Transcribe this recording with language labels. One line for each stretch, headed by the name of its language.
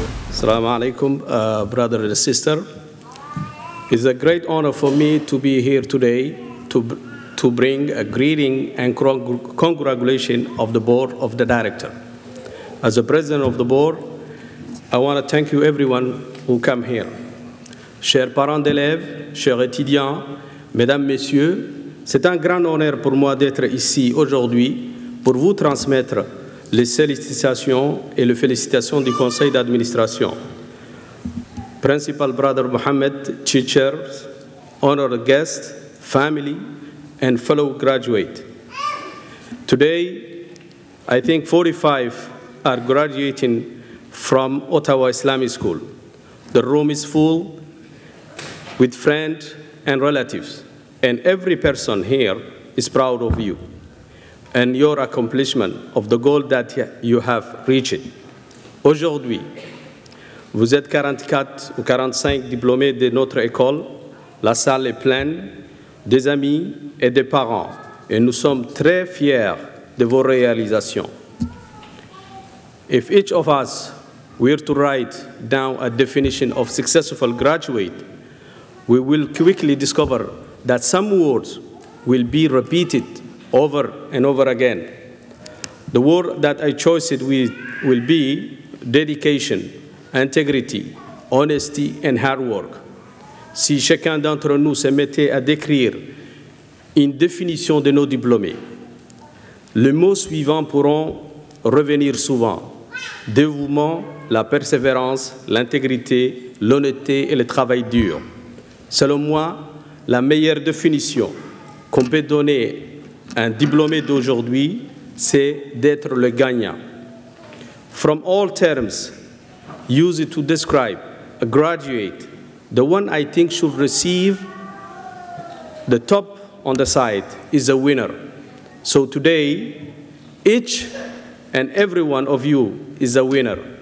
English: Assalamu alaikum, brother and sister. It's a great honor for me to be here today to bring a greeting and congratulation of the board of the director. As a president of the board, I want to thank you everyone who come here.
French: Chers parents d'élèves, chers étudiants, mesdames, messieurs, c'est un grand honneur pour moi d'être ici aujourd'hui pour vous transmettre les félicitations et les félicitations du conseil d'administration.
English: Principal Brother Mohammed, teachers, honored guests, family, and fellow graduates. Today, I think 45 are graduating from Ottawa Islamic School. The room is full with friends and relatives, and every person here is proud of you and your accomplishment of the goal that you have reached.
French: Aujourd'hui, vous êtes 44 ou 45 diplômés de notre école. La salle est pleine, des amis et des parents, et nous sommes très fiers de vos réalisations.
English: If each of us were to write down a definition of successful graduate, we will quickly discover that some words will be repeated over and over again. The word that I chose it will be dedication, integrity, honesty, and hard work.
French: Si chacun d'entre nous se mettait à décrire une définition de nos diplômés, les mots suivants pourront revenir souvent. Dévouement, la persévérance, l'intégrité, l'honnêteté et le travail dur. Selon moi, la meilleure définition qu'on peut donner à un diplômé d'aujourd'hui, c'est d'être le gagnant.
English: From all terms used to describe a graduate, the one I think should receive the top on the side is a winner. So today, each and every one of you is a winner.